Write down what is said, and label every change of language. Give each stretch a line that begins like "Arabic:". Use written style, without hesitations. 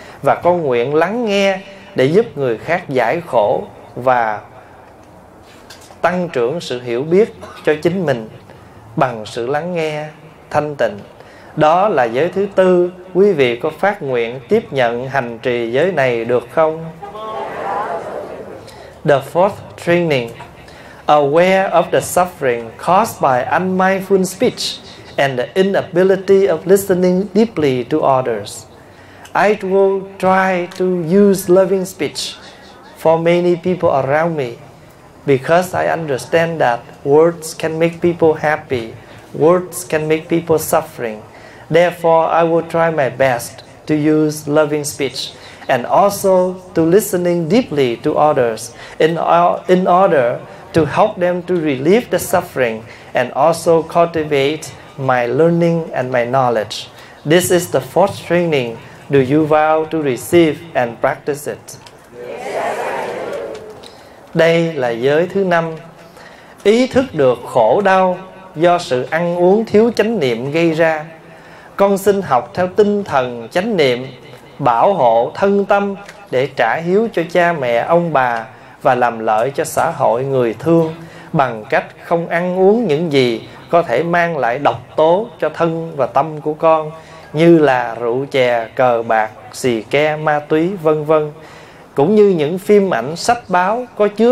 Vietnamese: Và con nguyện lắng nghe để giúp người khác giải khổ và tăng trưởng sự hiểu biết cho chính mình bằng sự lắng nghe thanh tịnh. Đó là giới thứ tư. Quý vị có phát nguyện tiếp nhận hành trì giới này được không?
English: The fourth training, aware of the suffering caused by unmindful speech and the inability of listening deeply to others. I will try to use loving speech for many people around me because I understand that words can make people happy, words can make people suffering. Therefore, I will try my best to use loving speech and also to listening deeply to others in order to help them to relieve the suffering and also cultivate my learning and my knowledge. This is the fourth training. Do you vow to receive and practice it? Yes.
Vietnamese: Đây là giới thứ năm. Ý thức được khổ đau do sự ăn uống thiếu chánh niệm gây ra. Con xin học theo tinh thần chánh niệm, bảo hộ thân tâm để trả hiếu cho cha mẹ ông bà và làm lợi cho xã hội người thương bằng cách không ăn uống những gì có thể mang lại độc tố cho thân và tâm của con, như là rượu chè, cờ bạc, xì ke, ma túy, vân vân, cũng như những phim ảnh, sách báo có